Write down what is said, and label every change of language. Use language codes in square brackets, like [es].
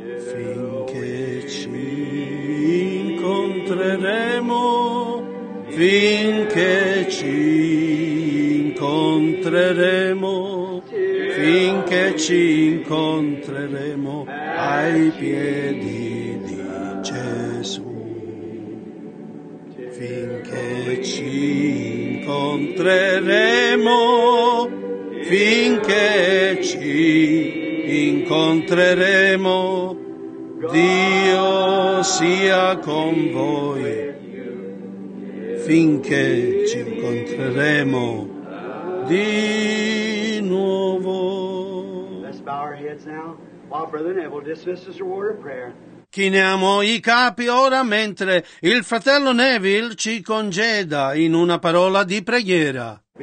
[it] finché ci incontreremo, finché ci incontreremo, finché ci incontreremo ai piedi di Gesù, finché ci incontreremo, finché ci incontreremo. Dio sia con voi, finché ci incontreremo di nuovo. [en] Let's bow our heads now while Brother Neville dismisses us for a word of prayer. [it] Chiniamo i capi ora mentre il fratello Neville ci congeda in una parola di preghiera.